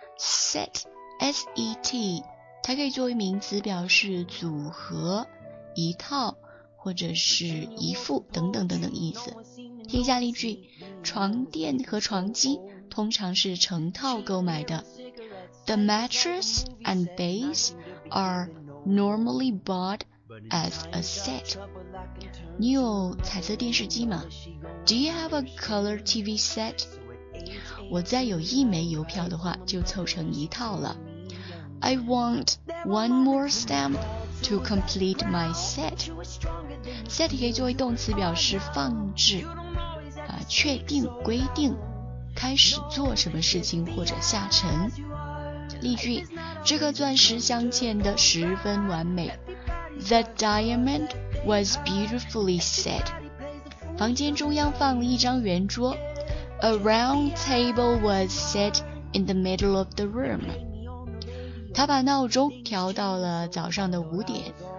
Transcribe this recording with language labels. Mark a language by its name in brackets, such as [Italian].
[Chinese] Set, S-E-T, 它可以作为名词表示组合、一套或者是一副等等等等意思。听一下例句，床垫和床巾通常是成套购买的。 [English] The mattress and base are normally bought as a set. [Chinese] 你有彩色电视机吗? [English] Do you have a color TV set? [Chinese] 我再有一枚邮票的话就凑成一套了。 [English] I want one more stamp to complete my set. [Chinese] Set 可以作为动词表示放置、确定规定开始做什么事情或者下沉。例句，这个钻石镶嵌的十分完美。 [English] The diamond was beautifully set. [Chinese] 房间中央放了一张圆桌。 [English] A round table was set in the middle of the room. [Chinese] 他把闹钟调到了早上的五点。